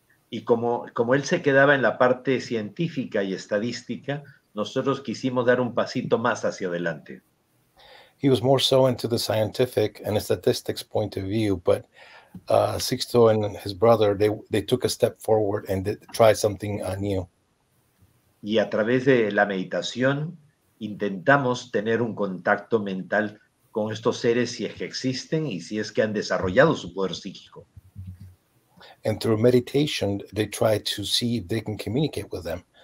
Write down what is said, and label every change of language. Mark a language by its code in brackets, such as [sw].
[es] Y como él se quedaba en la parte científica y estadística, nosotros quisimos dar un pasito más hacia adelante. [en] He was more so into the scientific and the statistics point of view, but Sixto and his brother, they took a step forward and tried something new. [es] Y a través de la meditación, intentamos tener un contacto mental con estos seres si es que existen y si es que han desarrollado su poder psíquico. [en] And through meditation, they try to see if they can communicate with them.